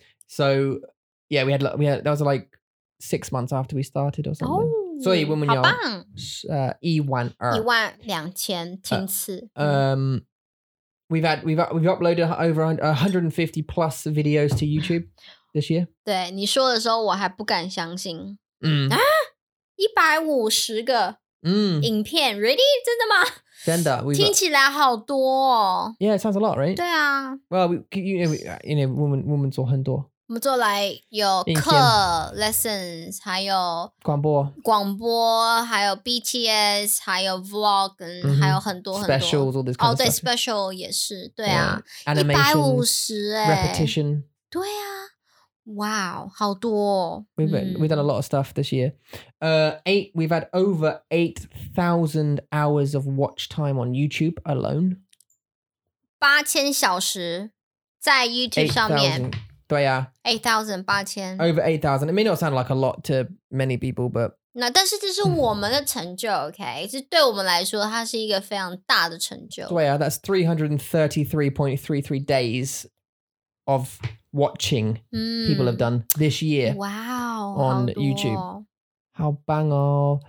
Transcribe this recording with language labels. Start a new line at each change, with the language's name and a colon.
English: So, yeah, we had, that was like 6 months after we started or something.
Chinese: Oh, 所以我们有 12,000听次。
English: We've uploaded over 150 plus videos to YouTube this year.
Chinese: 对，你说的时候我还不敢相信。嗯。啊 ,150 个影片、嗯、,
English: really?
Chinese: 真的吗真的听起来好多哦。
English: Yeah, it sounds a lot, right?
Chinese: 对啊。
English: Well, you know,
Chinese: 我们做很多。我们做来有课 lessons， 还有广播，还有 BTS， 还有 vlog， 嗯，还有很多很多
English: specials， all this kind of stuff.
Chinese: 哦，对 ，special 也是，对啊， 150 repetition， 对啊 ，wow， 好多。
English: We've done a lot of stuff this year. We've had over 8,000 hours of watch time on YouTube alone.
Chinese: 8,000小时在 YouTube 上面。对呀、啊、 8,000 8,000
English: Over 8,000 It may not sound like a lot to many people but
Chinese: 那但是这是我们的成就 OK 这对我们来说它是一个非常大的成就对呀、啊、
English: That's 333.33 days of watching、嗯、 people have done this year Wow On YouTube
Chinese: 好棒哦、